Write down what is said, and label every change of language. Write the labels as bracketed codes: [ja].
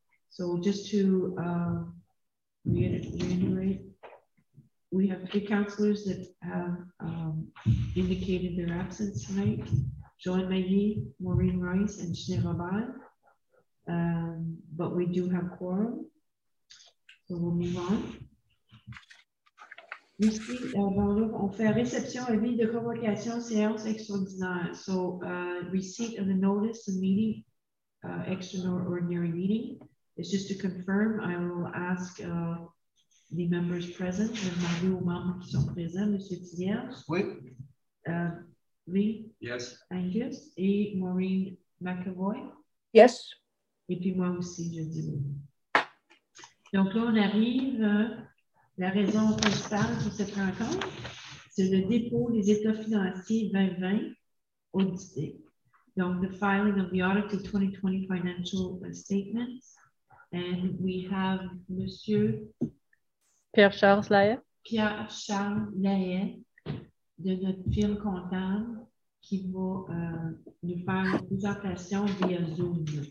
[en] So just to reiterate, we have three counselors that have indicated their absence tonight: Joanne Maggi, Maureen Rice, and Justin Robert. But we do have quorum, so we'll move on. [fr] Ici, on fait réception et avis de convocation séance extraordinaire. [en] So, receipt of the notice of meeting, extraordinary meeting. It's just to confirm, I will ask the members present, [fr] les membres ou membres qui sont présents, [en] Monsieur Thierry. [fr] Oui. [en] Lee. Yes. [fr] Angus et Maureen McAvoy. [en] Yes. [fr] Et puis moi aussi, je dis oui. Donc là, on arrive. La raison principale pour cette rencontre, c'est le dépôt des états financiers 2020 audités. [en] Donc, the filing of the audited 2020 financial statements. And we have Monsieur Pierre-Charles Laet. [fr] Pierre-Charles Laet de notre firme comptable qui va nous faire une présentation via Zoom.